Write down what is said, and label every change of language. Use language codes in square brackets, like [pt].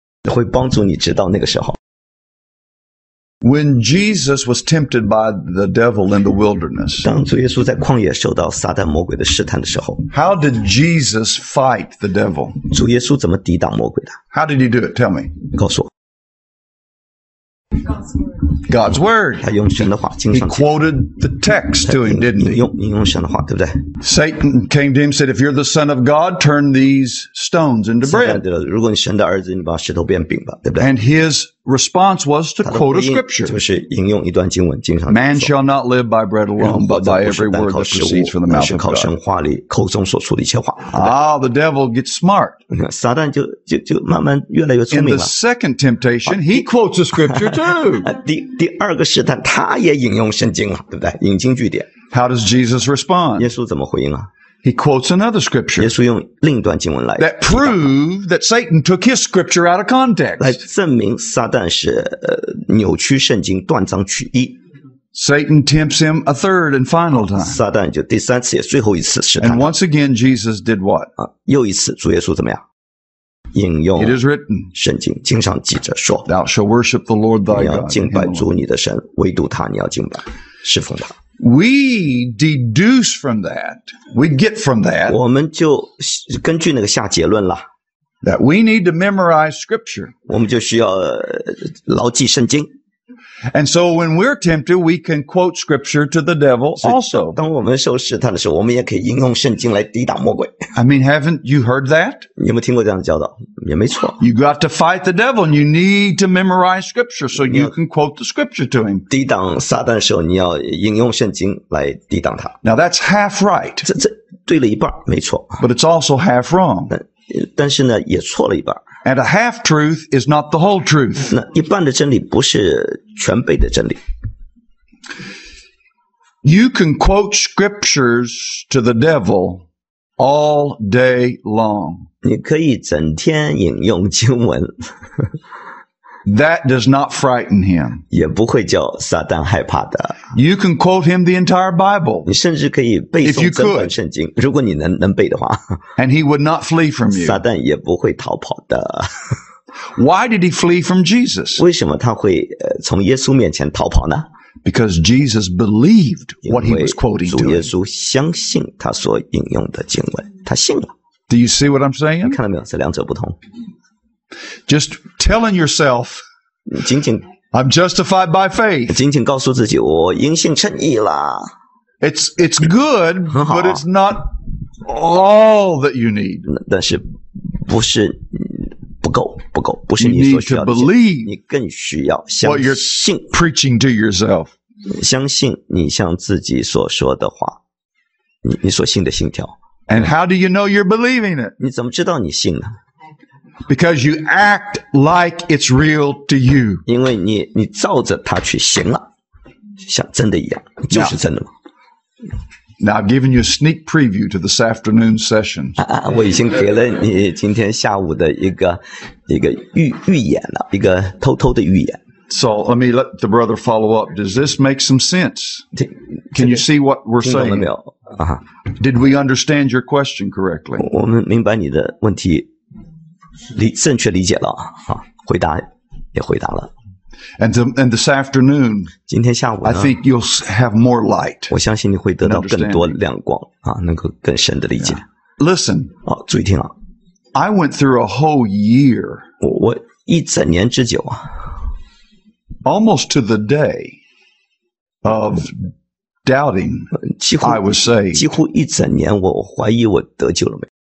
[zh] 会帮助你直到那个时候。 [en] When Jesus was tempted by the devil in the wilderness, [zh] 当主耶稣在旷野受到撒旦魔鬼的试探的时候 [en] ，How did Jesus fight the devil? [zh] 主耶稣怎么抵挡魔鬼的 [en] ？How did he do it? Tell me. [zh] 告诉我。 [en] God's word. [zh] 他用神的话，经上。 [en] He quoted the text to him, didn't he? [zh] 引用神的话，对不对 [en] ？Satan came to him and said, "If you're the son of God, turn these stones into bread." [zh] 撒旦对了，如果你神的儿子，你把石头变饼吧，对不对 [en] ？And his response was to quote a scripture. [zh] 就是引用一段经文，经上。 [en] Man shall not live by bread alone, but by every word that proceeds from the mouth of God. [zh] 是靠神话里口中所出的一切话。 [en] Ah, the devil gets smart. [zh] 撒旦就慢慢越来越聪明了。 [en] In the second temptation, he quotes a scripture too. [zh] 第二个试探，他也引用圣经了，对不对？引经据典。 [en] How does Jesus respond? [zh] 耶稣怎么回应啊？ [en] He quotes another scripture. [zh] 耶稣用另一段经文来 [en] That proved that Satan took his scripture out of context. [zh] 来证明撒旦是扭曲圣经，断章取义。 [en] Satan tempts him a third and final time. [zh] 撒旦就第三次也最后一次试探。 [en] And once again, Jesus did what? [zh] 又一次，主耶稣怎么样引用 [en] It is written, [zh] 圣经经上记着说 [en] Thou shalt worship the Lord thy God. [zh] 你要敬拜主你的神唯独他你要敬拜侍奉他 [en] We deduce from that. We get from that. [zh] 我们就根据那个下结论了 [en] That we need to memorize scripture. [zh] 我们就需要牢记圣经。 [en] And so when we're tempted, we can quote scripture to the devil also. [zh] 当我们受试探的时候，我们也可以引用圣经来抵挡魔鬼。 [en] I mean, haven't you heard that? [zh] 你有没有听过这样的教导？也没错。 [en] You got to fight the devil and you need to memorize scripture so you can quote the scripture to him. [zh] 抵挡撒旦的时候，你要引用圣经来抵挡他。 [en] Now that's half right. [zh] 这对了一半，没错。 [en] But it's also half wrong. [zh] 但是呢，也错了一半。 [en] And a half truth is not the whole truth. [zh] 那一半的真理不是全背的真理。 [en] You can quote scriptures to the devil all day long. [zh] 你可以整天引用经文。 [en] That does not frighten him. [zh] 也不会叫撒旦害怕的。 [en] You can quote him the entire Bible. [zh] 你甚至可以背诵整本圣经，如果你能背的话。 [en] And he would not flee from you. [zh] 撒旦也不会逃跑的。 [en] Why did he flee from Jesus? [zh] 为什么他会从耶稣面前逃跑呢？ [en] Because Jesus believed what he was quoting to him. [zh] 主耶稣相信他所引用的经文，他信了。 [en] Do you see what I'm saying? [zh] 看到没有？这两者不同。 [en] Just telling yourself, [zh] 仅仅 [en] I'm justified by faith. [zh] 仅仅告诉自己我因信称义了。 [en] It's good, but it's not all that you need. [zh] 但是不是不够不够不是你所需要的。 [en] You need to believe. [zh] 你更需要相信。 [en] What you're preaching to yourself. [zh] 相信你向自己所说的话，你所信的信条。 [en] And how do you know you're believing it? [zh] 你怎么知道你信呢？ [en] Because you act like it's real to you. [zh] 因为你照着它去行了，像真的一样，就是真的嘛。 [en] Now I've given you a sneak preview to this afternoon's session. [zh] 我已经给了你今天下午的一个预演了，一个偷偷的预演。 [en] So let me let the brother follow up. Does this make some sense? Can you see what we're saying? [zh] 听懂了没有？啊。 [en] Did we understand your question correctly? [zh] 我们明白你的问题。正确理解了、啊、回答也回答了 [en] and this afternoon [zh] 今天下午呢 [en] I think you'll have more light [zh] 我相信你会得到更多亮光、啊、能够更深的理解、yeah. [en] Listen、 [zh] 啊、注意听了 [en] I went through a whole year [zh] 我一整年之久、啊、 [en] Almost to the day of doubting I was saved [zh] 几乎一整年我怀疑我得救了没有